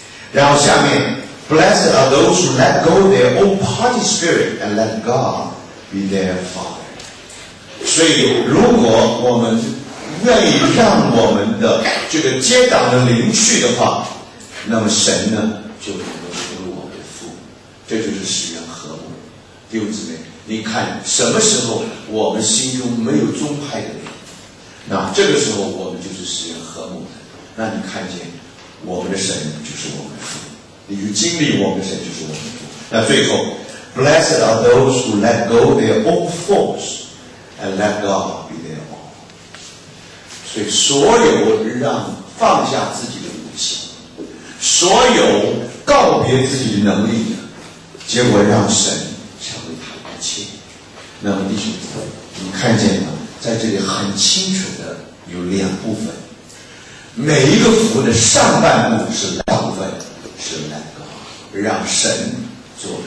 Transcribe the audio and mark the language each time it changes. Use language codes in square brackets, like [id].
[zh] 然后下面 [en] Blessed are those who let go their own party spirit and let God be their father。 [zh] 所以如果我们愿意让我们的这个接党的灵去的话，那么神呢就能够成为我们的父，这就是使人和睦。弟兄姊妹，你看什么时候我们心中没有宗派的灵，那这个时候我们就是使人和睦的。那你看见我们的神就是我们的父，你就经历我们的神就是我们的父。那最后 [en] Blessed are those who let go their own faults and let God be their own。 [zh] 所以所有让放下自己的武器，所有告别自己的能力的，结果让神成为他一切。那么弟兄姊妹，你看见吗？在这里很清楚的有两部分，每一个福的上半部是大部分是那个让神做。